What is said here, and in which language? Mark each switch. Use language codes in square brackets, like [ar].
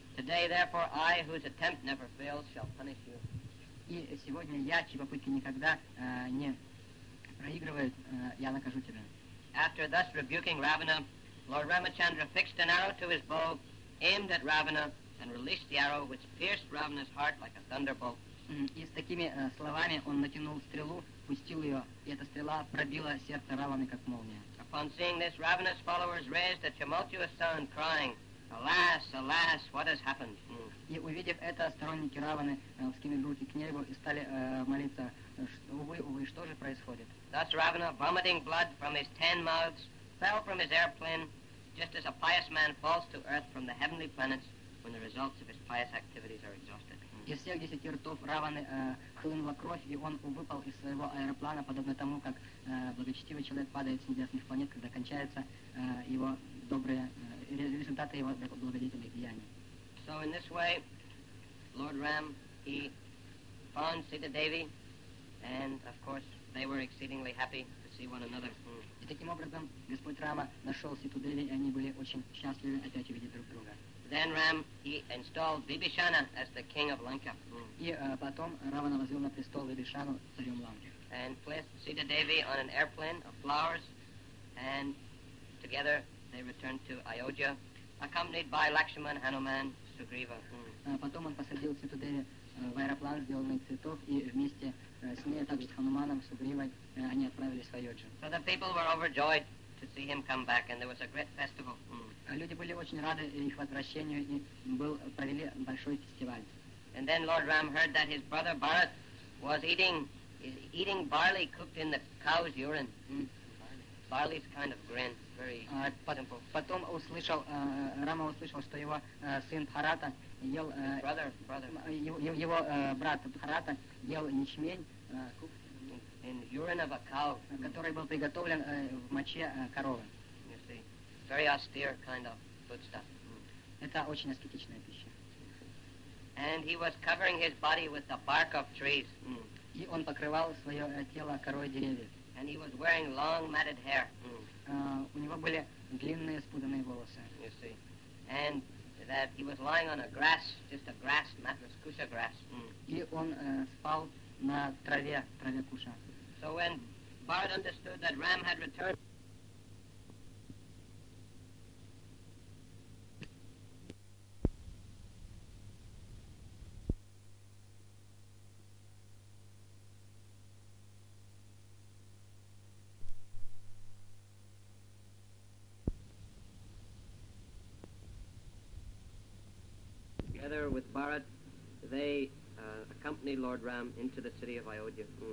[en] Today, therefore, I, whose attempt never fails, shall punish you. [ru] И сегодня я, чьи попытки никогда не проигрывают, я накажу тебя. [en] After thus rebuking Ravana, Lord Ramachandra fixed an arrow to his bow, aimed at Ravana, and released the arrow, which pierced Ravana's heart like a thunderbolt. [ru] И с такими словами он натянул стрелу, пустил ее, и эта стрела пробила сердце Раваны, как молния. [en] Upon seeing this, Ravana's followers raised a tumultuous sound, crying, Alas, alas, what has happened? [ru] И увидев это, сторонники Раваны вскинули руки к небу и стали молиться, увы, увы, что же происходит? [en] Thus Ravana, vomiting blood from his 10 mouths, fell from his airplane, just as a pious man falls to earth from the heavenly planets when the results of his pious activities are exhausted. [ru] Из всех 10 ртов Раваны хлынула кровь, и он выпал из своего аэроплана, подобно тому, как благочестивый человек падает с небесных планет, когда кончаются его добрые результаты его благодетельных деяний. [en] So in this way, Lord Ram, he found Sita Devi, and of course, they were exceedingly happy to see one another. [ru] И таким образом, Господь Рама нашел Ситу Деви, и они были очень счастливы опять увидеть друг друга. [en] Then Ram, he installed Vibhishana as the king of Lanka. [ru] И потом Равана возвел на престол Вибишану, царем Ланки. [en] And placed Sita Devi on an airplane of flowers, and together they returned to Ayodhya, accompanied by Lakshman, Hanuman, Sugriva. [ru] Потом он посадил Ситу Деви в аэроплан, сделанный из цветов, и вместе с ней, также с Хануманом, Сугривой, они отправились в Айоджу. [en] So the people were overjoyed to see him come back, and there was a great festival. [ru] Люди были очень рады их возвращению, и провели большой фестиваль. [en] And then Lord Ram heard that his brother Bharat was eating barley cooked in the cow's urine. Barley's kind of grain, very simple. [ru] Потом услышал, Рама услышал, что его сын Бхарата ел... [en] Brother. [ru] Его брат Бхарата ел ячмень, [en] in urine of a cow. [ru] Который был приготовлен в моче коровы. [en] Very austere kind of food stuff. [ru] Это очень аскетичная пища. [en] And he was covering his body with the bark of trees. [ru] И он покрывал свое тело корой деревьев. [en] And he was wearing long matted hair. [ru] У него были длинные спутанные волосы. [en] You see. And that he was lying on a grass, just a grass mattress, kusha grass. [ru] И он спал на траве, траве куша. [en] So when Bharat understood that Ram had returned, with Bharat, they accompanied Lord Ram into the city of Ayodhya.